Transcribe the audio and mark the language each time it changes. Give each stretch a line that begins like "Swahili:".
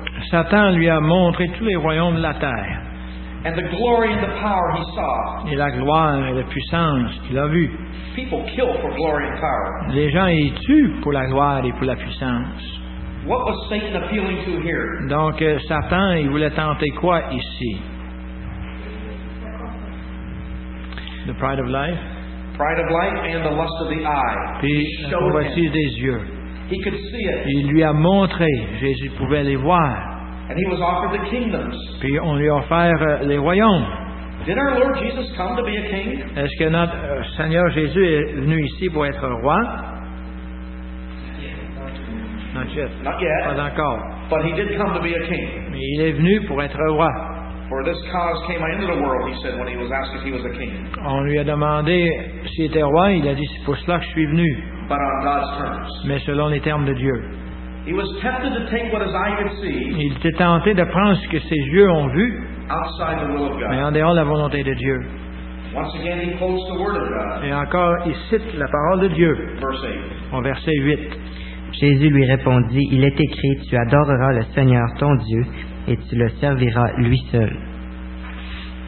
French: Satan lui a montré tous les royaumes de la terre.
English: And the glory and the power he saw.
French: Et la gloire et la puissance qu'il a vu.
English: People kill for glory and power.
French: Les gens y tuent pour la gloire et pour la puissance.
English: What was Satan appealing to here?
French: Donc Satan, il voulait tenter quoi ici?
English: The pride of life. Pride of life and the lust of the eye.
French: Puis la convoitise des yeux.
English: He could see it.
French: Il lui a montré. Jésus pouvait les voir.
English: And he was offered the kingdoms.
French: Puis on lui a offert les royaumes.
English: Did our Lord Jesus come to be a king?
French: Est-ce que notre Seigneur Jésus est venu ici pour être roi? Sanchez.
English: Not yet.
French: Pas encore.
English: But he did come to be a king.
French: Mais il est venu pour être roi.
English: For this cause came I into the world, he said when he was asked if he was a king.
French: On lui a demandé s'il était roi, il a dit c'est pour cela que je suis venu.
English: But on God's terms.
French: Mais selon les termes de Dieu.
English: He was tempted to take what his eye could see.
French: Il était tenté de prendre ce que ses yeux ont vu.
English: Outside the will of God.
French: Mais en dehors de la volonté de Dieu.
English: Once again, he quotes the word of God.
French: Et encore, il cite la parole de Dieu.
English: Verse 8.
French: En verset 8. Jésus lui répondit, « Il est écrit, tu adoreras le Seigneur ton Dieu, et tu le serviras lui seul. »